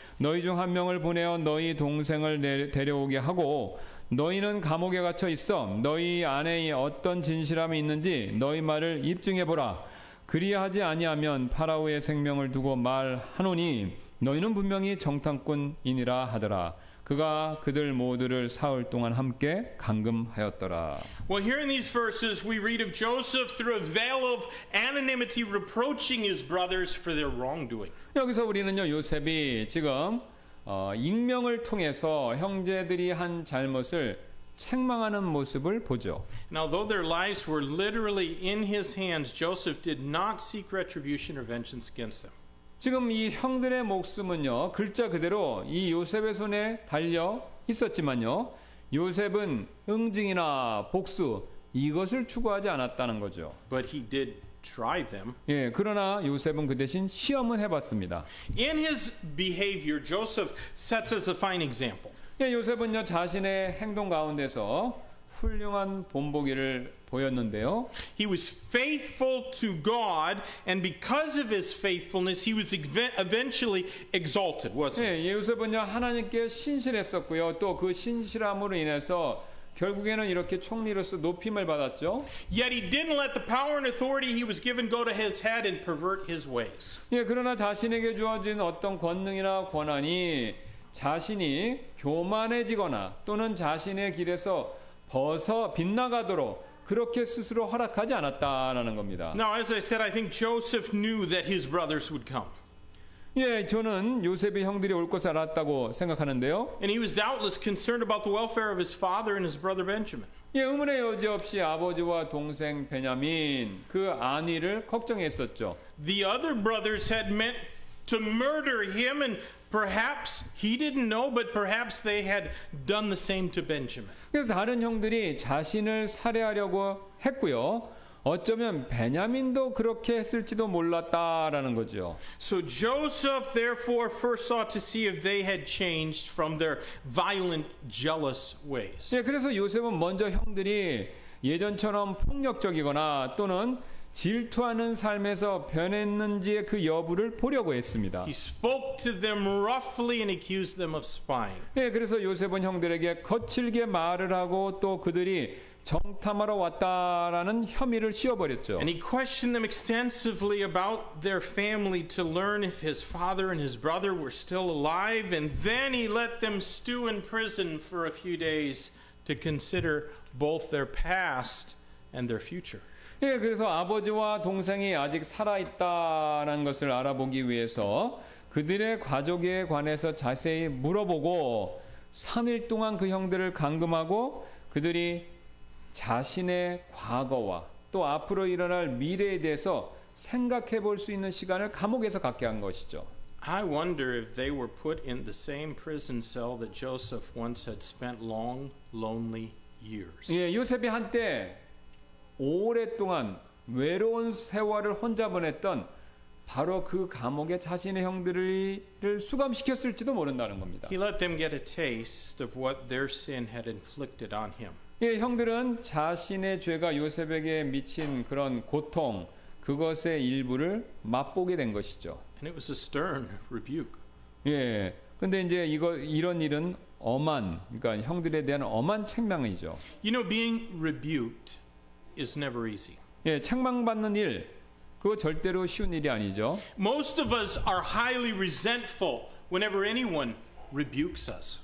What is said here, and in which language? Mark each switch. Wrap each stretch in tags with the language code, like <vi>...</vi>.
<ko>너희 중 한 명을 보내어 너희 동생을 데려오게 하고 너희는 감옥에 갇혀 있어 너희 안에 어떤 진실함이 있는지 너희 말을 입증해보라. 그리하지 아니하면 파라오의 생명을 두고 말하노니 너희는 분명히 정탐꾼이니라 하더라. 그가 그들 모두를 사흘 동안 함께 감금하였더라.</ko> <en>Well, here in these verses, we read of Joseph through a veil of anonymity reproaching his brothers for their wrongdoing.</en> <ko>여기서 우리는요, 요셉이 지금 익명을 통해서 형제들이 한 잘못을 책망하는 모습을 보죠.</ko> <en>Now, though their lives were literally in his hands, Joseph did not seek retribution or vengeance against them.</en> <ko>지금 이 형들의 목숨은요, 글자 그대로 이 요셉의 손에 달려 있었지만요, 요셉은 응징이나 복수 이것을 추구하지 않았다는 거죠.</ko> <en>But he did try them.</en> <ko>예, 그러나 요셉은 그 대신 시험은 해봤습니다.</ko> <en>In his behavior, Joseph sets us a fine example.</en> <ko>예, 요셉은요, 자신의 행동 가운데서 훌륭한 본보기를 보였는데요.</ko> <en>He was faithful to God, and because of his faithfulness, he was eventually exalted, wasn't he?</en> <ko>네, 요셉은요 하나님께 신실했었고요. 또 그 신실함으로 인해서 결국에는 이렇게 총리로서 높임을 받았죠.</ko> <en>Yet he didn't let the power and authority he was given go to his head and pervert his ways.</en> <ko>예, 그러나 자신에게 주어진 어떤 권능이나 권한이 자신이 교만해지거나 또는 자신의 길에서 벗어 빗나가도록 그렇게 스스로 허락하지 않았다라는 겁니다.</ko> <en>Now, as I said, I think Joseph knew that his brothers would come.</en> <ko>예, 저는 요셉의 형들이 올 것을 알았다고 생각하는데요.</ko> <en>And he was doubtless concerned about the welfare of his father and his brother Benjamin.</en> <ko>예, 의문의 여지 없이 아버지와 동생 베냐민 그 안위를 걱정했었죠.</ko> <en>The other brothers had meant to murder him, and perhaps he didn't know, but perhaps they had done the same to Benjamin.</en> <ko>그래서 다른 형들이 자신을 살해하려고 했고요. 어쩌면 베냐민도 그렇게 했을지도 몰랐다라는 거죠.</ko> <en>So Joseph therefore first sought to see if they had changed from their violent, jealous ways.</en> <ko>예, 그래서 요셉은 먼저 형들이 예전처럼 폭력적이거나 또는 질투하는 삶에서 변했는지의 그 여부를 보려고 했습니다.</ko> <en>He spoke to them roughly and accused them of spying.</en> <ko>예, 그래서 요셉은 형들에게 거칠게 말을 하고 또 그들이 정탐하러 왔다라는 혐의를 씌워버렸죠.</ko> <en>And he questioned them extensively about their family to learn if his father and his brother were still alive, and then he let them stew in prison for a few days to consider both their past and their future.</en> <ko>예, 그래서 아버지와 동생이 아직 살아있다라는 것을 알아보기 위해서 그들의 가족에 관해서 자세히 물어보고 3일 동안 그 형들을 감금하고 그들이 자신의 과거와 또 앞으로 일어날 미래에 대해서 생각해 볼 수 있는 시간을 감옥에서 갖게 한 것이죠.</ko> <en>I wonder if they were put in the same prison cell that Joseph once had spent long, lonely years.</en> <ko>예, 요셉이 한때 오랫동안 외로운 세월을 혼자 보냈던 바로 그 감옥에 자신의 형들을 수감시켰을지도 모른다는 겁니다.</ko> <en>He let them get a taste of what their sin had inflicted on him.</en> <ko>예, 형들은 자신의 죄가 요셉에게 미친 그런 고통 그것의 일부를 맛보게 된 것이죠.</ko> <en>And it was a stern rebuke.</en> <ko>예, 근데 이제 이런 일은 엄한, 그러니까 형들에 대한 엄한 책망이죠.</ko> <en>You know, being rebuked is never easy.</en> <ko>예, 책망받는 일 그거 절대로 쉬운 일이 아니죠.</ko> <en>Most of us are highly resentful whenever anyone rebukes us.</en>